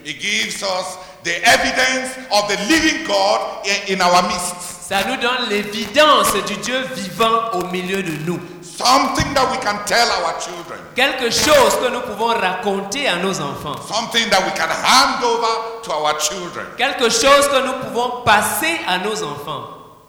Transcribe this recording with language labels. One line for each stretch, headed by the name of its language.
English: It gives us the evidence of the living God in our midst.
French: Ça nous donne l'évidence du Dieu vivant au milieu de nous.
English: Something that we can tell our children.
French: Quelque chose que nous pouvons raconter à nos enfants.
English: Something that we can hand over to our children.
French: Quelque chose que nous pouvons passer à nos enfants.